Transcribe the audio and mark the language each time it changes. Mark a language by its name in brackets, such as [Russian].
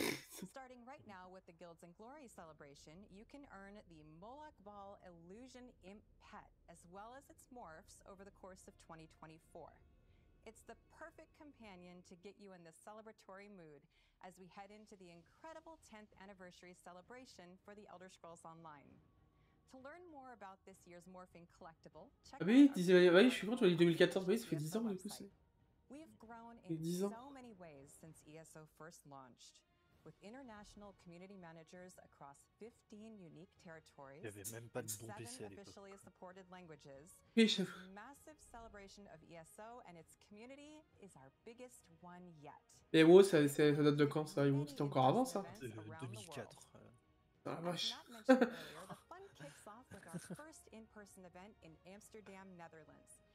[English] Starting right now with the Guilds and Glory celebration, you can earn the Moloch Ball Illusion Imp pet as well as its morphs over the course of 2024. It's the perfect companion to get you in the celebratory mood as we head into the incredible 10th anniversary celebration for the Elder Scrolls Online. To learn more about this year's morphing collectible, check. [French] Ah oui, je suis content, 2014, oui, ça fait 10 ans du coup. [English] We've grown in so many ways since ESO first launched. with international community managers across 15 unique territories. [French] Il y avait même pas de bon PC à [English] officially [French] l'époque. [English] Supported languages. Massive celebration of ESO and its community is our biggest one yet. [French] Et wow, ça date de quand ça? C'était encore avant ça? 2004. Ah la vache. [English] Kicks off with our first in-person event in Amsterdam, Netherlands.